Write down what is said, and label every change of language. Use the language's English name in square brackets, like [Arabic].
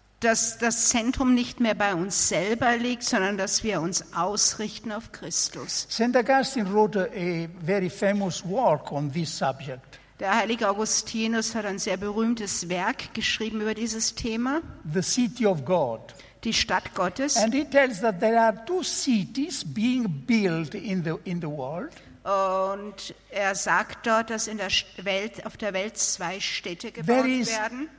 [German] Dass das Zentrum nicht mehr bei uns selber liegt, sondern dass wir uns ausrichten auf Christus. [English] St. Augustine wrote a very famous work on this subject. [German] Der heilige Augustinus hat ein sehr berühmtes Werk geschrieben über dieses Thema. [English] The City of God. [German] Die Stadt Gottes. [English] And he tells that there are two cities being built in the world. [German] Und er sagt dort, dass in der Welt, auf der Welt zwei Städte gebaut werden.